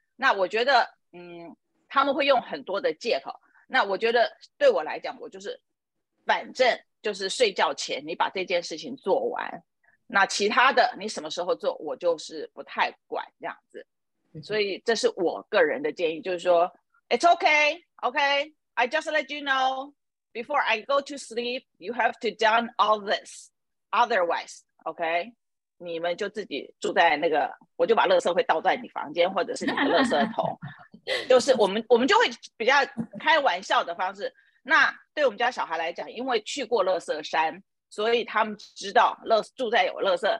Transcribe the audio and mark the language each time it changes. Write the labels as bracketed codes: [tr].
[zh] 那我觉得他们会用很多的借口，那我觉得对我来讲，我就是反正就是睡觉前你把这件事情做完，那其他的你什么时候做我就是不太管这样子。所以这是我个人的建议，就是说 [en] It's okay, okay. I just let you know, before I go to sleep, you have to done all this. Otherwise, okay? [zh] 你们就自己住在那个，我就把垃圾会倒在你房间或者是你的垃圾桶。就是我们就会比较开玩笑的方式。那对我们家小孩来讲，因为去过垃圾山，所以他们知道住在有垃圾。